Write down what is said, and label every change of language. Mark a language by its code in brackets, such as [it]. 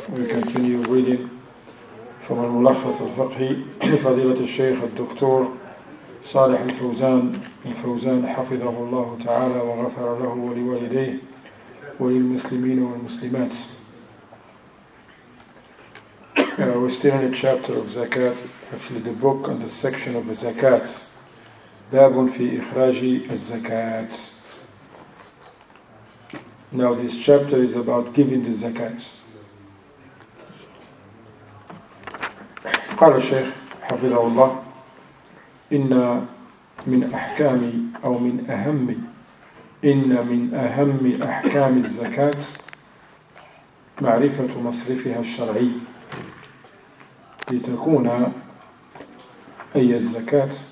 [en] We continue reading from [ar] الملخص الفقهي لفضيلة الشيخ الدكتور صالح الفوزان الفوزان حفظه الله تعالى وغفر له ولوالديه وللمسلمين والمسلمات. [en] We're still in a chapter of Zakat, actually the book and the section of the Zakat. [ar] باب في إخراج الزكاة. [en] Now this chapter is about giving the zakat. [ar] قال الشيخ حفظه الله إن من أحكام أو من أهم إن من أهم أحكام الزكاة معرفة مصرفها الشرعي لتكون أي الزكاة